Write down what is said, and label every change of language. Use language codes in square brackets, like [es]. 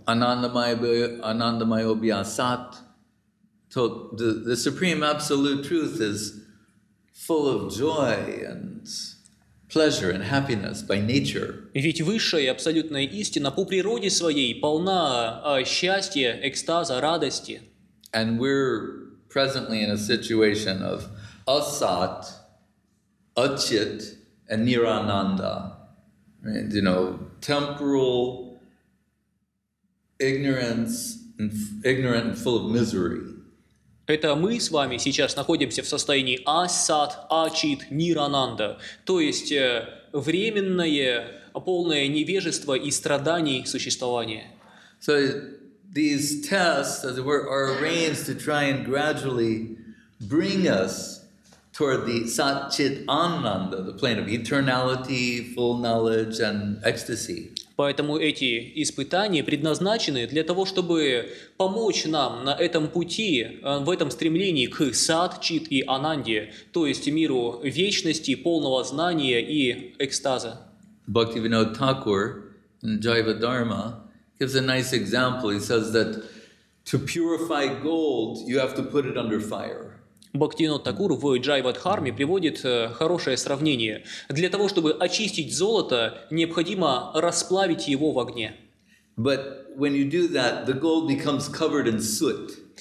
[ru] Анандамай обьясат, то [en] the supreme absolute truth is full of joy and pleasure and happiness by nature. [ru] Ведь высшая абсолютная истина по природе своей полна счастья, экстаза, радости. [en] And we're presently in a situation of asat, achit, and nirananda. And, you know, temporal ignorance, and ignorant and full of misery. [ru] Это мы с вами сейчас находимся в состоянии асат, ачит, нирананда, то есть временное, полное невежество и страданий существования. [en] So these tests, as it were, are arranged to try and gradually bring us toward the sat-chit ananda, the plane of eternality, full knowledge and ecstasy. [ru] Поэтому эти испытания предназначены для того, чтобы помочь нам на этом пути, в этом стремлении к сат, чит и ананде, то есть миру вечности, полного знания и экстаза. [en] Бхактивинод Такур in Jiva Dharma gives a nice example. He says that to purify gold, you have to put it under fire. [ru] Бхактивинод Такур в Джайвадхарме приводит хорошее сравнение. Для того, чтобы очистить золото, необходимо расплавить его в огне. [en] But when you do that, the gold becomes covered in soot.